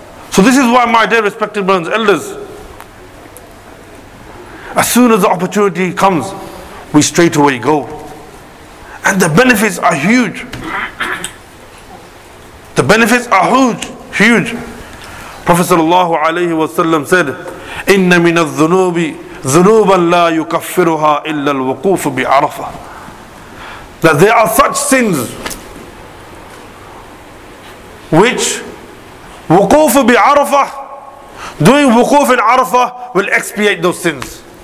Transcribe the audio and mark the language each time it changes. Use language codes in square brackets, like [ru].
[en] So this is why, my dear respected brothers, elders, as soon as the opportunity comes, we straight away go. And the benefits are huge. The benefits are huge, huge. Prophet sallallahu alayhi wa sallam said, [ar] إِنَّ مِنَ الظُّنُوبِ ذُنُوبًا لَا يُكَفِّرُهَا إِلَّا الْوُقُوفُ بِعَرَفَةِ. [en] That there are such sins which wukufu bi'arafah, doing wukuf in Arafah will expiate those sins.